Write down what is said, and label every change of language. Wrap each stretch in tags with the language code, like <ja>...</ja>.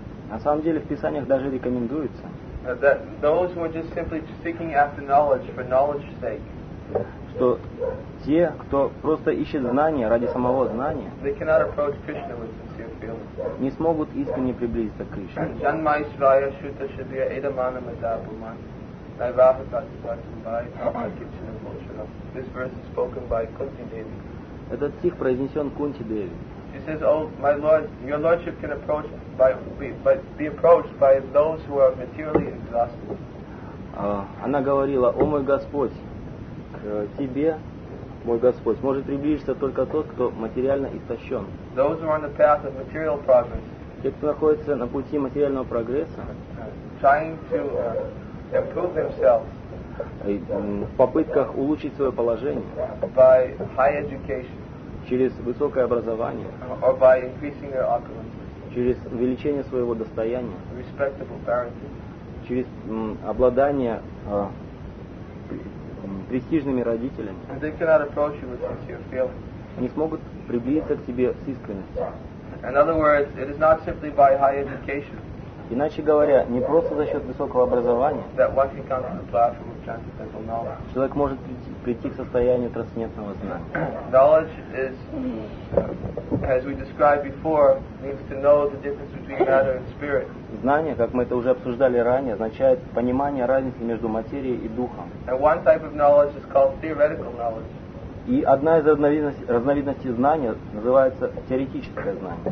<ru>На самом деле в писаниях даже рекомендуется.</ru> <en>That those who are just simply seeking after knowledge for knowledge's sake.</en> <ru>Что те, кто просто ищет знания ради самого знания,</ru> <en>they cannot approach Krishna with sincere feeling.</en> <ru>Не смогут искренне приблизиться к Кришне. Janmaishvaya Shuta Shadya Edamana Madhabuman.</ru> <en>This verse is spoken by Kunti Devi.</en> <ru>Этот стих произнесен Кунти Деви.</ru> <en>She says, "Oh, my lord, your lordship can approach by, be approached by those who are materially exhausted."</en> <ru>Она говорила, "О мой Господь, к тебе мой Господь, может приблизиться только тот, кто материально истощен.</ru> <en>Those who are on the path of material progress.</en> <ru>Те, кто находится на пути материального прогресса,</ru> <en>trying to improve themselves.</en> <ru>В попытках улучшить свое положение.</ru> <en>By high education.</en> <ru>Через высокое образование.</ru> <en>Or by increasing their opulence.</en> <ru>Через увеличение своего достояния.</ru> <en>Respectable parenting.</en> <ru>Через обладание престижными родителями.</ru> <en>And they cannot approach you with sincere feelings.</en> <ru>Они смогут приблизиться к тебе с искренностью.</ru> <en>In other words, it is not simply by high education.</en> <ru>Иначе говоря, не просто за счет высокого образования.</ru> <en>That one can come to the platform of transcendental knowledge.</en> <ru>Человек может прийти к состоянию трансцендентного знания.</ru> <en>Knowledge is, as we described before, means to know the difference between matter and spirit.</en> <ru>Знание, как мы это уже обсуждали ранее, означает понимание разницы между материей и духом.</ru> <en>And one type of knowledge is called theoretical knowledge.</en> <ru>И одна из разновидностей знания называется теоретическое знание.</ru>